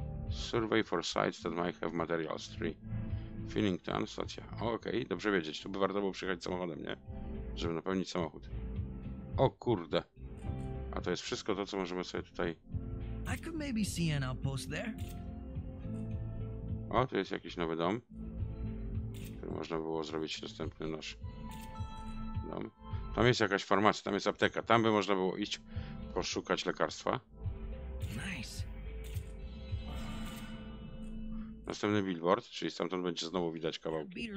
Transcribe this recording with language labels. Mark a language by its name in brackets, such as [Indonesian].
[English] Survey for sites that might have materials. [Polish] 3. Finnington, stacja. Okej, dobrze wiedzieć. Tu by warto było przyjechać samochodem, nie? Żeby napełnić samochód. O kurde. A to jest wszystko to, co możemy sobie tutaj... [English] I could maybe see an outpost there. [Polish] O, tu jest jakiś nowy dom. Można było zrobić następny nasz dom. Tam jest jakaś farmacja, tam jest apteka. Tam by można było iść poszukać lekarstwa. Nice. Następny billboard, czyli stamtąd będzie znowu widać kawałki.